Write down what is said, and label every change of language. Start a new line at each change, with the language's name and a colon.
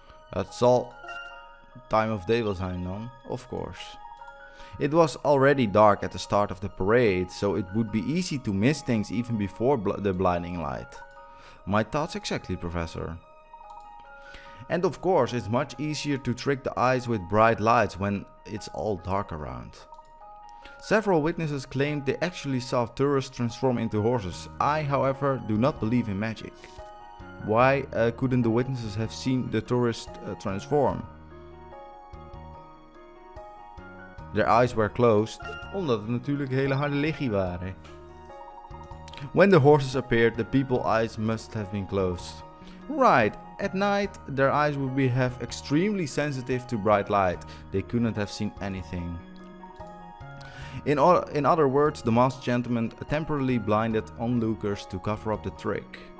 Dutch: Het zal
English: time of day
Dutch: wel zijn dan,
English: of course. It was already dark at the start of the parade, so it would be easy to miss things even before the blinding light. My thoughts exactly, Professor. And of course, it's much easier to trick the eyes with bright lights when it's all dark around. Several witnesses claimed they actually saw tourists transform into horses. I, however, do not believe in magic. Why couldn't the witnesses have seen the tourists transform? Their eyes were closed.
Dutch: Omdat het natuurlijk hele harde liggie waren.
English: When the horses appeared, the people's eyes must have been closed. Right, at night, their eyes would be have extremely sensitive to bright light. They couldn't have seen anything. In other words, the masked gentleman temporarily blinded onlookers to cover up the trick.